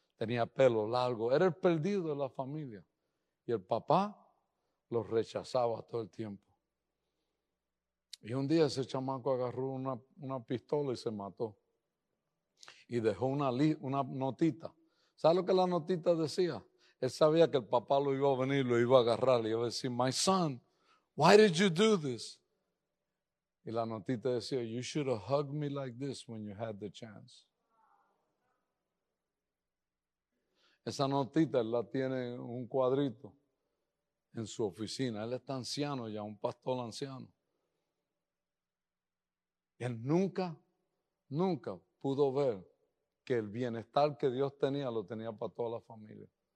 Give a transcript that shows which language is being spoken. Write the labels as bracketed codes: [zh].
[es] Tenía pelo largo. Era el perdido de la familia. Y el papá lo rechazaba todo el tiempo. Y un día ese chamaco agarró una pistola y se mató. Y dejó una notita. ¿Sabes lo que la notita decía? Él sabía que el papá lo iba a venir, lo iba a agarrar. Y iba a decir, [en] my son, why did you do this? [es] Y la notita decía, [en] you should have hugged me like this when you had the chance. [es] Esa notita él la tiene en un cuadrito en su oficina. Él está anciano ya, un pastor anciano. Él nunca, nunca pudo ver que el bienestar que Dios tenía lo tenía para toda la familia.